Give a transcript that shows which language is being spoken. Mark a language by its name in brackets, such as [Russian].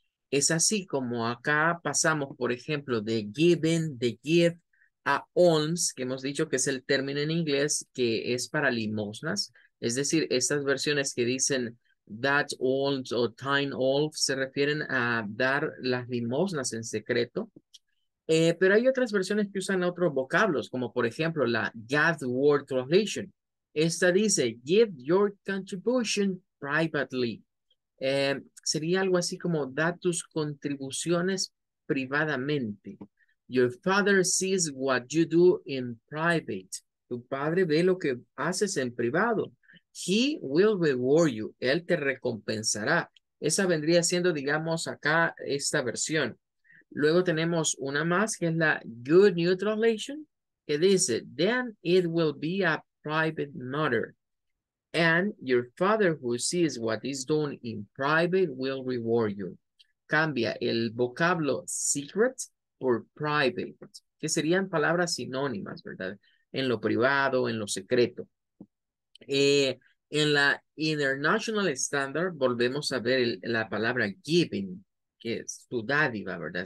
[Spanish] Es así como acá pasamos, por ejemplo, de given, de give, a alms, que hemos dicho que es el término en inglés que es para limosnas. Es decir, estas versiones que dicen that alms o thine alms se refieren a dar las limosnas en secreto. Pero hay otras versiones que usan otros vocablos, como por ejemplo la God's Word Translation. Esta dice, [English] give your contribution privately. [Spanish] Sería algo así como, da tus contribuciones privadamente. [English] Your father sees what you do in private. [Spanish] Tu padre ve lo que haces en privado. [English] He will reward you. [Spanish] Él te recompensará. Esa vendría siendo, digamos, acá esta versión. Luego tenemos una más, que es la Good New Translation, que dice, [English] then it will be a private matter. And your father who sees what is done in private will reward you. [Spanish] Cambia el vocablo secret por private, que serían palabras sinónimas, ¿verdad? En lo privado, en lo secreto. En la International Standard volvemos a ver la palabra giving, que es tu dádiva, ¿verdad?